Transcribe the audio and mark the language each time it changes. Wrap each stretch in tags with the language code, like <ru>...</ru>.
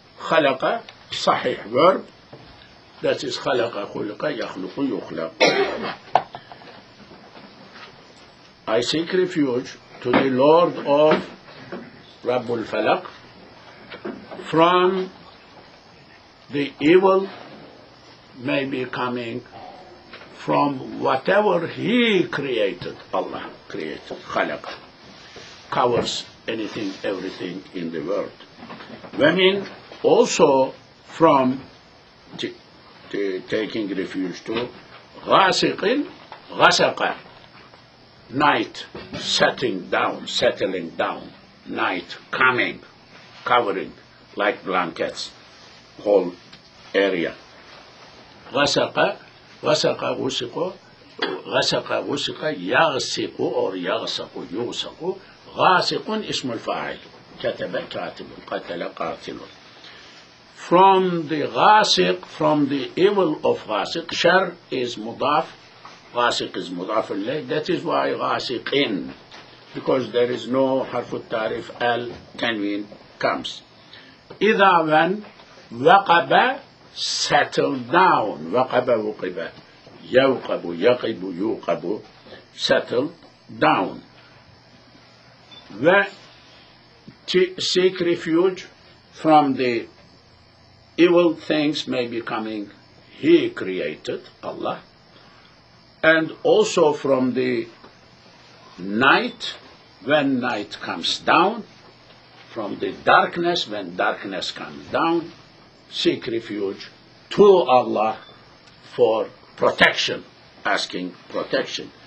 <ar>خلق صحيح</ar> <en>verb. That is</en> <ar>خلق خلق يخلق يخلق.</ar> <en>I seek refuge to the Lord of</en> <ar>رب الفلق</ar> <en>from the evil may be coming from whatever he created. Allah created خلق covers anything, everything in the world. I mean also from taking refuge to</en> <ar>غاسق غسق</ar> <en>night setting down, settling down, night coming, covering like blankets whole area.</en> <ar>غسق غسق غسق غسق غسق يغسق or يغسق يغسق غاسق اسم الفاعل كتب كاتب قتل قاتل.</ar> <en>From the غاسق, from the evil of غاسق, شر is مضاف, غاسق is مضاف إليه. That is why غاسقين, because there is no حرف التعريف ال تنوين comes.</en> <ar>إذا</ar> <en>when</en> <ar>وقب</ar> <en>settle down,</en> <ar>وقب وقب يوقب يقب يوقب settle down.</ar> <en>Seek refuge from the evil things may be coming he created, Allah, and also from the night, when night comes down, from the darkness, when darkness comes down, seek refuge to Allah for protection, asking protection.</en>